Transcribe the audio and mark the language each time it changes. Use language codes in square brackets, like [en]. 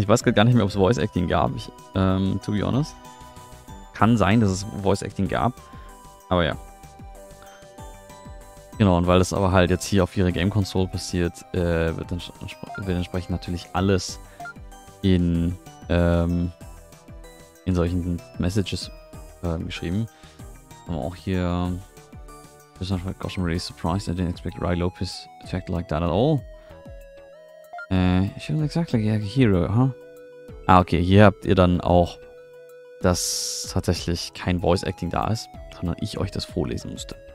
[de] Ich weiß gar nicht mehr, ob es Voice Acting gab, [en] to be honest. [de] Kann sein, dass es Voice Acting gab, aber ja. Genau, und weil das aber halt jetzt hier auf ihrer Game Console passiert, wird entsprechend natürlich alles in solchen Messages geschrieben. Aber auch hier, [en] gosh, I'm really surprised, I didn't expect Ry Lopez effect like that at all. She looks exactly like a hero, huh? [de] Ah, okay, hier habt ihr dann auch, dass tatsächlich kein Voice-Acting da ist, sondern ich euch das vorlesen musste.